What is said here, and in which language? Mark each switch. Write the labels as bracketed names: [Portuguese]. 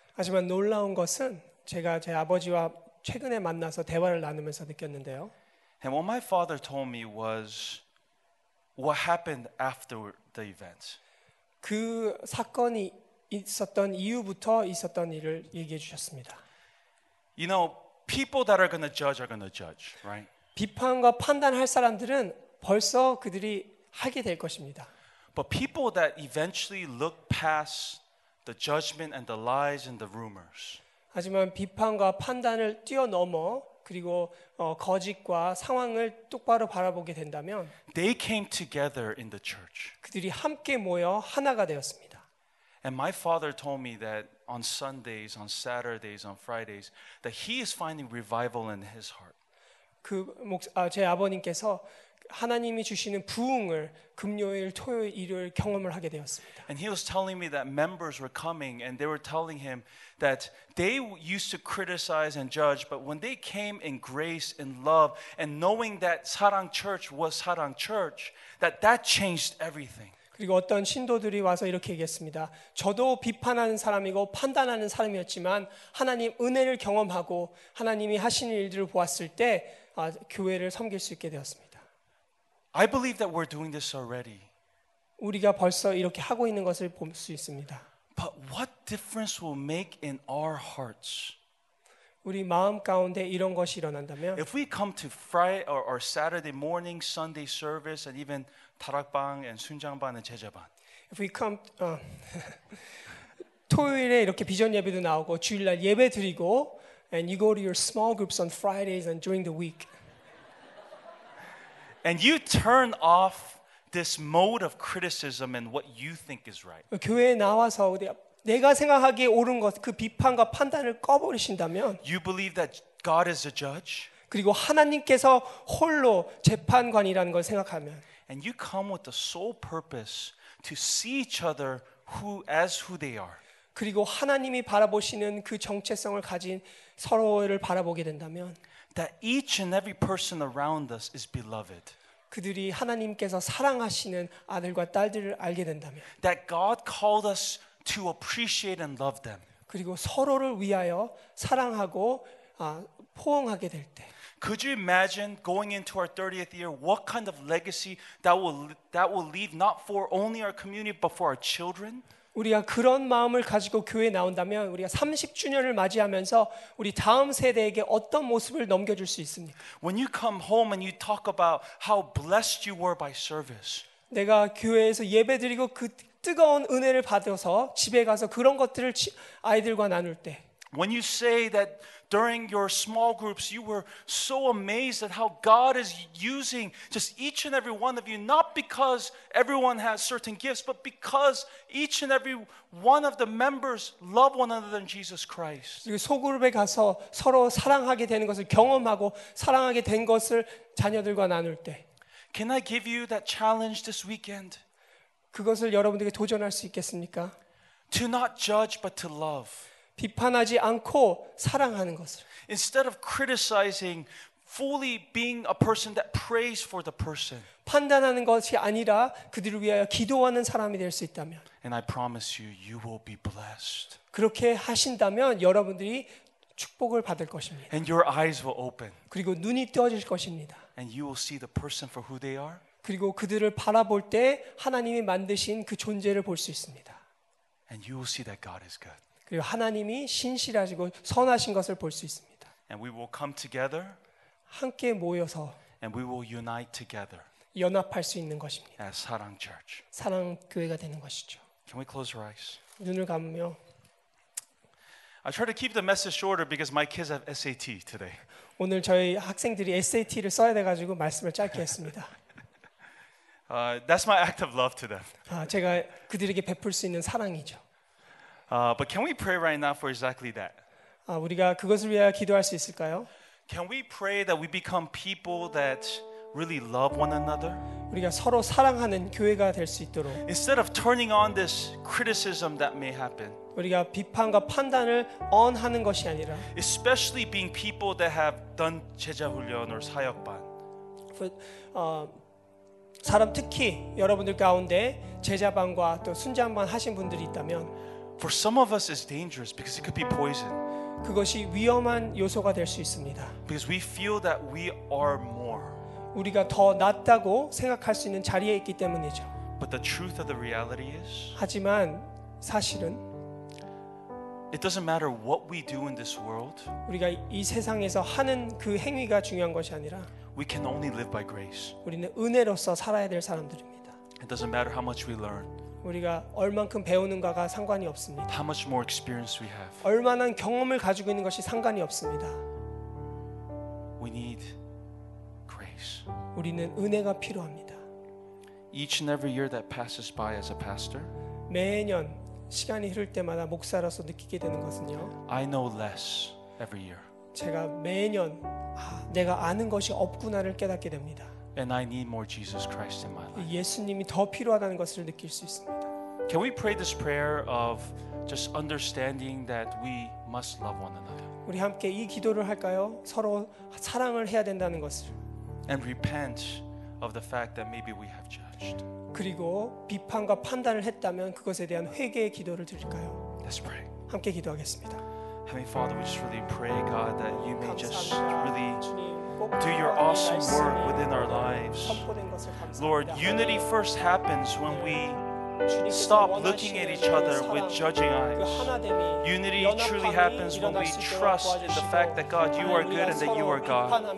[Korean] 하지만 놀라운 것은 제가 제 아버지와 최근에 만나서 대화를 나누면서 느꼈는데요. [English] And what my father told me was what happened after the event. [Korean] 그 사건이 있었던 이후부터 있었던 일을 얘기해 주셨습니다. [English] You know, people that are going to judge are going to judge, right? [Korean] 비판과 판단할 사람들은 벌써 그들이 하게 될 것입니다. [English] But people that eventually look past the judgment and the lies and the rumors. [Korean] 하지만 비판과 판단을 뛰어넘어 그리고 거짓과 상황을 똑바로 바라보게 된다면 [English] they came together in the church. [Korean] 그들이 함께 모여 하나가 되었습니다. [English] And my father told me that on Sundays, on Saturdays, on Fridays that he is finding revival in his heart. [Korean] 제 아버님께서 하나님이 주시는 부흥을 금요일, 토요일, 일요일 경험을 하게 되었습니다. [English] And he was telling me that members were coming and they were telling him that they used to criticize and judge but when they came in grace and love and knowing that 사랑 church was 사랑 church that changed everything. [Korean] 그리고 어떤 신도들이 와서 이렇게 얘기했습니다. 저도 비판하는 사람이고 판단하는 사람이었지만 하나님 은혜를 경험하고 하나님이 하시는 일들을 보았을 때 교회를 섬길 수 있게 되었습니다. [English] I believe that we're doing this already. [Korean] 우리가 벌써 이렇게 하고 있는 것을 볼 수 있습니다. [English] But what difference will make in our hearts? [Korean] 우리 마음 가운데 이런 것이 일어난다면 [English] If we come to Friday or Saturday morning Sunday service and even 다락방 and 순장반 and 제자반. If we come [Korean] 토요일에 이렇게 비전 예배도 나오고 주일날 예배 드리고 [English] and you go to your small groups on Fridays and during the week. And you turn off this mode of criticism and what you think is right. [Korean] 교회에 나와서 내가 생각하기에 옳은 것, 그 비판과 판단을 꺼버리신다면 [English] You believe that God is a judge? [Korean] 그리고 하나님께서 홀로 재판관이라는 걸 생각하면 [English] And you come with the sole purpose to see each other who as who they are. [Korean] 그리고 하나님이 바라보시는 그 정체성을 가진 서로를 바라보게 된다면 [English] That each and every person around us is beloved. [Korean] 그들이 하나님께서 사랑하시는 아들과 딸들을 알게 된다면. [English] That God called us to appreciate and love them. [Korean] 그리고 서로를 위하여 사랑하고 포옹하게 될 때. [English] Could you imagine going into our 30th year? What kind of legacy that will leave not for only our community but for our children? [Korean] 우리가 그런 마음을 가지고 교회에 나온다면 우리가 30주년을 맞이하면서 우리 다음 세대에게 어떤 모습을 넘겨줄 수 있습니까? [English] When you come home and you talk about how blessed you were by service. [Korean] 내가 교회에서 예배 드리고 그 뜨거운 은혜를 받아서 집에 가서 그런 것들을 아이들과 나눌 때. [English] When you say that during your small groups you were so amazed at how God is using just each and every one of you not because everyone has certain gifts but because each and every one of the members love one another in Jesus Christ. [Korean] 소그룹에 가서 서로 사랑하게 되는 것을 경험하고 사랑하게 된 것을 자녀들과 나눌 때. [English] Can I give you that challenge this weekend? [Korean] 그것을 여러분들에게 도전할 수 있겠습니까? [English] To not judge but to love. [Korean] 비판하지 않고 사랑하는 것을 [English] Instead of criticizing fully being a person that prays for the person [Korean] 판단하는 것이 아니라 그들을 위하여 기도하는 사람이 될 수 있다면 [English] And I promise you you will be blessed [Korean] 그렇게 하신다면 여러분들이 축복을 받을 것입니다 [English] And your eyes will open [Korean] 그리고 눈이 떠질 것입니다 [English] And you will see the person for who they are [Korean] 그리고 그들을 바라볼 때 하나님이 만드신 그 존재를 볼 수 있습니다 [English] And you will see that God is good [Korean] 그리고 하나님이 신실하시고 선하신 것을 볼 수 있습니다. [English] And we will come together. [Korean] 함께 모여서. [English] And we will unite together. [Korean] 연합할 수 있는 것입니다. [English] As 사랑 church. [Korean] 사랑 교회가 되는 것이죠. [English] Can we close our eyes? [Korean] 눈을 감으며. [English] I try to keep the message shorter because my kids have SAT today. [Korean] 오늘 저희 학생들이 SAT를 써야 돼 가지고 말씀을 짧게 했습니다. [English] That's my act of love to them. [Korean] 제가 그들에게 베풀 수 있는 사랑이죠. [English] But can we pray right now for exactly that? [Korean] 우리가 그것을 위하여 기도할 수 있을까요? [English] Can we pray that we become people that really love one another? [Korean] 우리가 서로 사랑하는 교회가 될 수 있도록. [English] Instead of turning on this criticism that may happen. [Korean] 우리가 비판과 판단을 on 하는 것이 아니라. [English] Especially being people that have done 제자 훈련 or 사역반. [Korean] 사람 특히 여러분들 가운데 제자반과 또 순장반 하신 분들이 있다면. [English] For some of us, it's dangerous because it could be poison. [Korean] 그것이 위험한 요소가 될 수 있습니다. [English] Because we feel that we are more. [Korean] 우리가 더 낫다고 생각할 수 있는 자리에 있기 때문이죠. [English] But the truth of the reality is. [Korean] 하지만 사실은. [English] It doesn't matter what we do in this world. [Korean] 우리가 이 세상에서 하는 그 행위가 중요한 것이 아니라. [English] We can only live by grace. [Korean] 우리는 은혜로서 살아야 될 사람들입니다. [English] It doesn't matter how much we learn. [Korean] 우리가 얼만큼 배우는가가 상관이 없습니다. [English] How much more experience we have. [Korean] 얼마나 경험을 가지고 있는 것이 상관이 없습니다. [English] We need grace. [Korean] 우리는 은혜가 필요합니다. [English] Each and every year that passes by as a pastor. [Korean] 매년 시간이 흐를 때마다 목사로서 느끼게 되는 것은요. [English] I know less every year. [Korean] 제가 매년 내가 아는 것이 없구나를 깨닫게 됩니다. [English] And I need more Jesus Christ in my life. [Korean] 예수님이 더 필요하다는 것을 느낄 수 있습니다. [English] Can we pray this prayer of just understanding that we must love one another? [Korean] 우리 함께 이 기도를 할까요? 서로 사랑을 해야 된다는 것을. [English] And repent of the fact that maybe we have judged. [Korean] 그리고 비판과 판단을 했다면 그것에 대한 회개의 기도를 드릴까요? [English] Let's pray. [Korean] 함께 기도하겠습니다. [English] Heavenly Father, we just really pray, God, that you may just really do your awesome work within our lives. Lord, unity first happens when we stop looking at each other with judging eyes. Unity truly happens when we trust in the fact that God, you are good and that you are God.